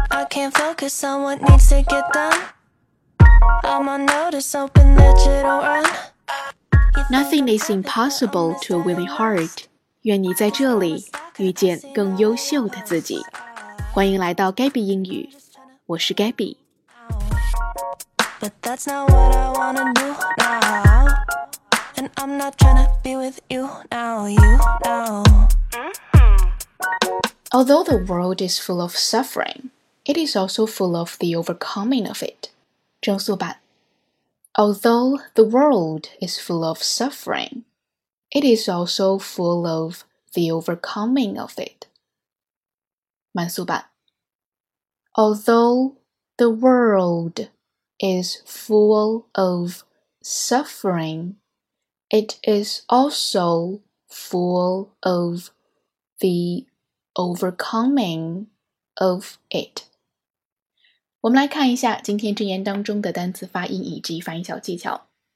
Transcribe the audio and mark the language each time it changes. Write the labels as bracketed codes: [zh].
[en] can't focus on what needs to get done. I'm on notice, hoping that you don't run. Nothing is impossible to a willing heart. [zh] 愿你在这里遇见更优秀的自己。欢迎来到 Gabby 英语，我是 Gabby。 [en] But that's not what I wanna do now. And I'm not trying to be with you now, you know. Although the world is full of suffering, it is also full of the overcoming of it. [zh] 正素版。 [en] Although the world is full of suffering, it is also full of the overcoming of it. [zh] 慢速版。 [en] Although the world is full of suffering, it is also full of the overcoming of it. [zh] 我们来看一下今天箴言当中的单词发音以及发音小技巧。